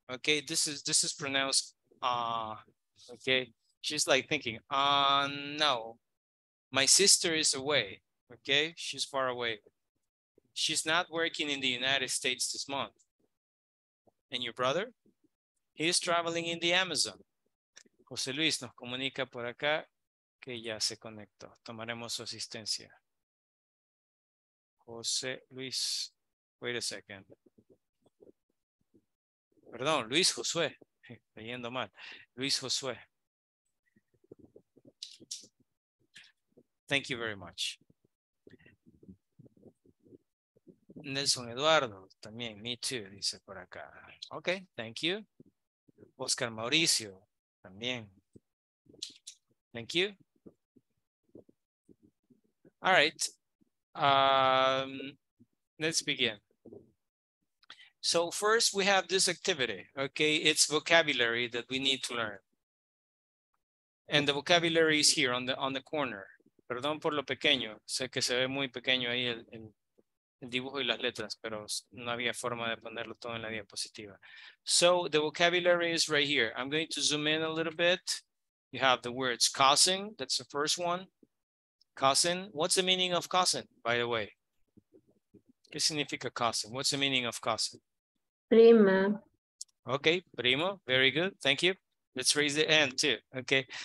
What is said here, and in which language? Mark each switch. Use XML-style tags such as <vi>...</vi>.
<en>Okay, this is pronounced, okay. She's like thinking, no, my sister is away, okay? She's far away. She's not working in the United States this month. And your brother? He is traveling in the Amazon.</en> <es>José Luis nos comunica por acá que ya se conectó. Tomaremos su asistencia. José Luis,</es> <en>wait a second.</en> <es>Perdón, Luis Josué, leyendo mal. Luis Josué.</es> <en>Thank you very much.</en> <es>Nelson Eduardo, también,</es> <en>me too,</en> <es>dice por acá.</es> <en>Okay, thank you. Oscar Mauricio,</en> <es>también.</es> <en>Thank you. All right, let's begin. So first we have this activity, okay? It's vocabulary that we need to learn. And the vocabulary is here on the corner.</en> <es>Perdón por lo pequeño, sé que se ve muy pequeño ahí el dibujo y las letras, pero no había forma de ponerlo todo en la diapositiva.</es> <en>So the vocabulary is right here. I'm going to zoom in a little bit. You have the words cousin, that's the first one. Cousin, what's the meaning of cousin, by the way?</en> <es>¿Qué significa cousin?</es> <en>What's the meaning of cousin?</en> <es>Prima.</es> <en>Okay, primo, very good, thank you. Let's raise the hand too, okay?</en>